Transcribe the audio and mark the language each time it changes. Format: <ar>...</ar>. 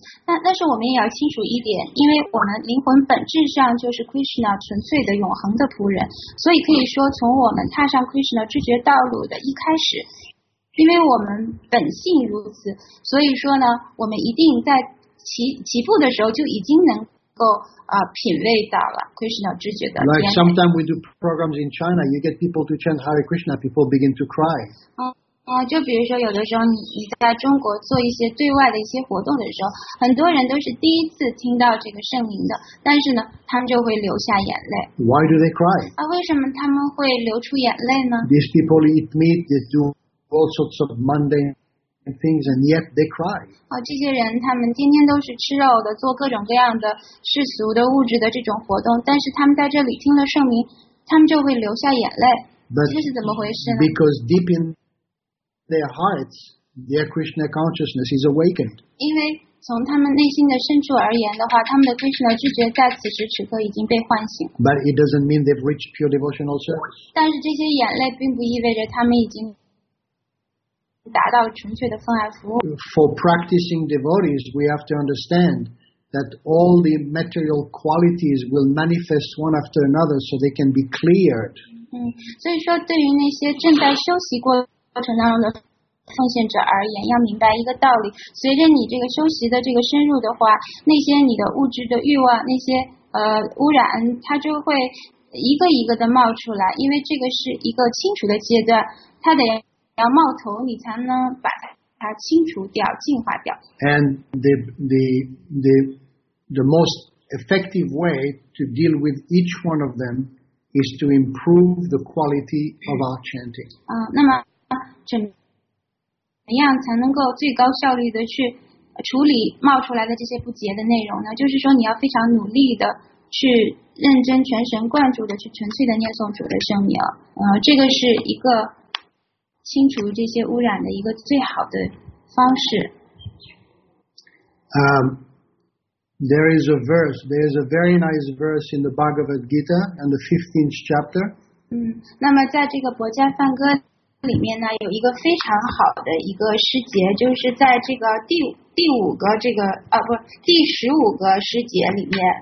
<zh>但是我们也要清楚一点，因为我们灵魂本质上就是 Krishna 纯粹的永恒的仆人，所以可以说从我们踏上 Krishna 知觉道路的一开始，因为我们本性如此，所以说呢，我们一定在起步的时候就已经能够品味到了 Krishna 知觉的。</zh> <en>Like sometimes we do programs in China, you get people to chant Hare Krishna, people begin to cry.</en> <zh>就比如说有的时候你在中国做一些对外的一些活动的时候，很多人都是第一次听到这个圣名的，但是呢他们就会流下眼泪。</zh> <en>Why do they cry?</en> <zh>为什么他们会流出眼泪呢？</zh> <en>These people eat meat, they do all sorts of mundane things, and yet they cry.</en> <zh>这些人他们天天都是吃肉的，做各种各样的世俗的物质的这种活动，但是他们在这里听了圣名，他们就会流下眼泪。</zh> <en>But、</en> <zh>这是怎么回事呢？</zh> <en>Because deep in their hearts, their Krishna consciousness is awakened.</en> <zh>因为从他们内心的深处而言的话，他们的 Krishna 知觉在此时此刻已经被唤醒。</zh> <en>But it doesn't mean they've reached pure devotional service.</en> <zh>但是这些眼泪并不意味着他们已经达到纯粹的奉爱服务。</zh> <en>For practicing devotees, we have to understand that all the material qualities will manifest one after another, so they can be cleared.</en> <zh>所以说对于那些正在修习过过程当中的奉献者而言，要明白一个道理：随着你这个修习的这个深入的话，那些你的物质的欲望，那些污染，它就会一个一个的冒出来。因为这个是一个清除的阶段，它得要冒头，你才能把它清除掉、净化掉。</zh> <en>And the most effective way to deal with each one of them is to improve the quality of our chanting.</en> <zh>那么怎么样才能够最高效率的去处理冒出来的这些不洁的内容呢？就是说你要非常努力的去认真全神贯注的去纯粹的念诵主的圣名，这个是一个清除这些污染的一个最好的方式。</zh> <en>There is a verse, there is a very nice verse in the Bhagavad Gita and the 15th chapter.</en> <zh>那么在这个《薄伽梵歌》里面呢有一个非常好的一个诗节，就是在这个第十五个诗节里面。</zh>